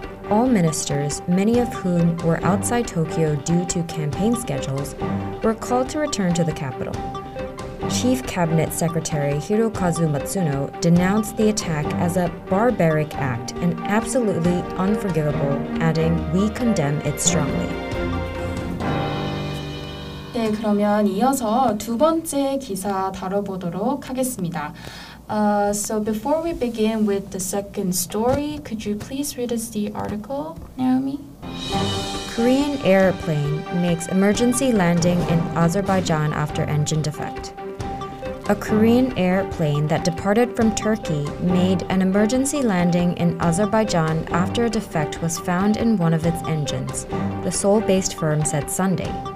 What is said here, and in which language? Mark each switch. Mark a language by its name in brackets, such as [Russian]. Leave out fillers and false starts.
[English] All ministers, many of whom were outside Tokyo due to campaign schedules, were called to return to the capital. Chief Cabinet Secretary Hirokazu Matsuno denounced the attack as a barbaric act and absolutely unforgivable, adding, "We condemn it strongly." [Korean] 네, 그러면 이어서 두 번째 기사 다뤄보도록 하겠습니다. [English] So before we begin with the second story, could you please read us the article, Naomi? Korean airplane makes emergency landing in Azerbaijan after engine defect. A Korean airplane that departed from Turkey made an emergency landing in Azerbaijan after a defect was found in one of its engines, the Seoul-based firm said Sunday.